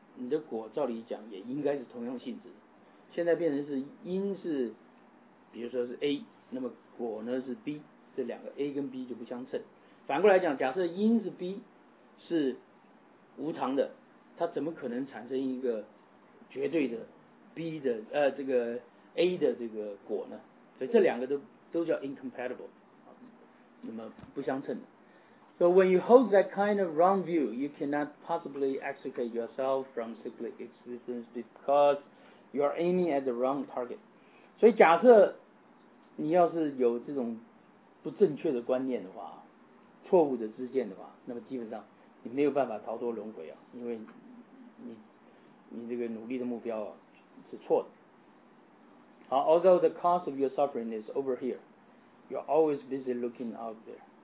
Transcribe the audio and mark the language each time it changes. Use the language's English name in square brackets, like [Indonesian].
[Chinese] 你的果照理讲也应该是同样性质，现在变成是因是比如说是 A， 那么果呢是 B， 这两个 A 跟 B 就不相称。反过来讲，假设因是 B 是无常的，它怎么可能产生一个绝对的 B 的这个 A 的这个果呢？所以这两个都叫 incompatible， 那么不相称的。 [English] So when you hold that kind of wrong view, you cannot possibly extricate yourself from cyclic existence because you are aiming at the wrong target. [Chinese] 所以假设你要是有这种不正确的观念的话，错误的知见的话，那么基本上你没有办法逃脱轮回啊，因为你这个努力的目标啊是错的。 [English] 好 ，although the cause of your suffering is over here, you're always busy looking out there.